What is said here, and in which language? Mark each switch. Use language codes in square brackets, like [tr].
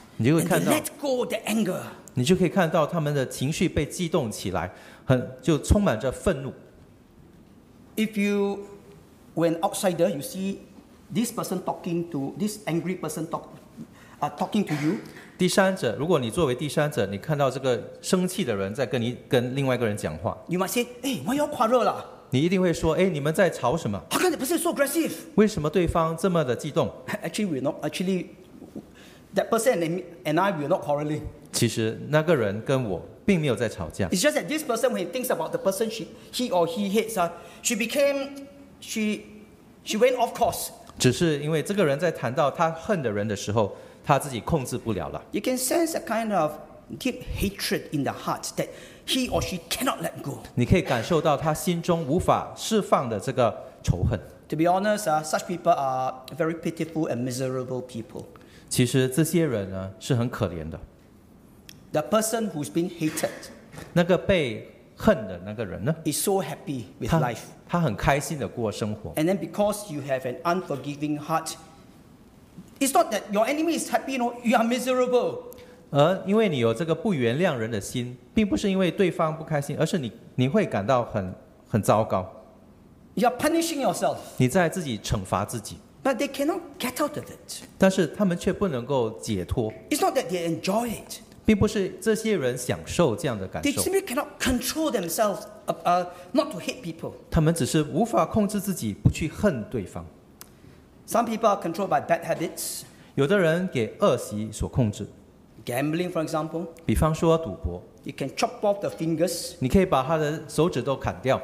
[zh] 你就会看到 [en] let go the anger. [zh] 你就可以看到他们的情绪被激动起来，很就充满着愤怒。 [en] If youWhen outsider, you see this person talking to this angry person talking to you. [zh] 第三者，如果你作为第三者，你看到这个生气的人在跟另外一个人讲话 [en] ，You might say, "Hey, why you quarrel 了？" [zh] 你一定会说，哎，你们在吵什么 [en] ？How come the person is so aggressive? [zh] 为什么对方这么的激动 [en] ？Actually, we're not. Actually, that person and I we're not quarreling. [zh] 其实那个人跟我并没有在吵架。 [en] It's just that this person, when he thinks about the person he or he hates, she became. She went off course. [zh] 只是因为这个人在谈到他恨的人的时候，他自己控制不了了。 [en] You can sense a kind of deep hatred in the heart that he or she cannot let go. [zh] 你可以感受到他心中无法释放的这个仇恨。 [en] To be honest, such people are very pitiful and miserable people. [zh] 其实这些人呢是很可怜的。 [en] The person who's being hated, [zh] 那个被恨的那个人呢 [en] is so happy with life. [zh] 他很开心的过生活。 [en] And then because you have an unforgiving heart. It's not that your enemy is happy, you know, you are miserable. [zh] 而因为你有这个不原谅人的心，并不是因为对方不开心，而是你会感到很糟糕。 [en] You are punishing yourself. [zh] 你在自己惩罚自己。 [en] But they cannot get out of it. [zh] 但是他们却不能够解脱。 [en] It's not that they enjoy it. [zh] 并不是这些人享受这样的感受。 [en] They simply cannot control themselves, not to hate people. [zh] 他们只是无法控制自己不去恨对方。 [en] Some people are controlled by bad habits. [zh] 有的人给恶习所控制。 [en] Gambling, for example. [zh] 比方说赌博。 [en] You can chop off the fingers. [zh] 你可以把他的手指都砍掉。